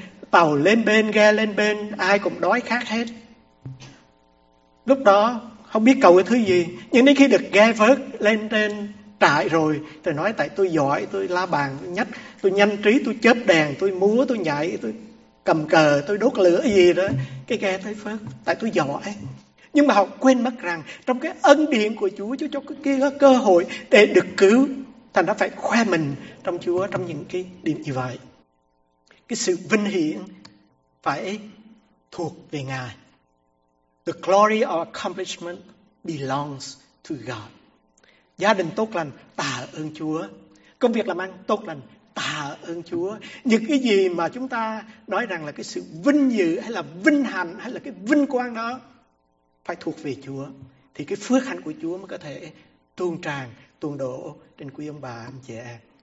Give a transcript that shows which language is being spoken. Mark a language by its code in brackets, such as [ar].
[vi] Tàu lên bên, ghe lên bên, ai cũng đói khát hết. Lúc đó không biết cầu cái thứ gì, nhưng đến khi được ghe vớt lên trên trại rồi, tôi nói tại tôi giỏi, tôi la bàn, tôi nhắc, tôi nhanh trí, tôi chớp đèn, tôi múa, tôi nhảy, tôi cầm cờ, tôi đốt lửa gì đó, cái ghe tới vớt, tại tôi giỏi. Nhưng mà họ quên mất rằng trong cái ân điển của Chúa, Chúa cho cái kia cơ hội để được cứu. Thành ra phải khoe mình trong Chúa trong những cái điểm như vậy. Cái sự vinh hiển phải thuộc về Ngài. [en] The glory or accomplishment belongs to God. [vi] Gia đình tốt lành, tạ ơn Chúa. Công việc làm ăn tốt lành, tạ ơn Chúa. Những cái gì mà chúng ta nói rằng là cái sự vinh dự hay là vinh hạnh hay là cái vinh quang đó phải thuộc về Chúa. Thì cái phước hạnh của Chúa mới có thể tuôn tràn, tuôn đổ trên quý ông bà, anh chị em.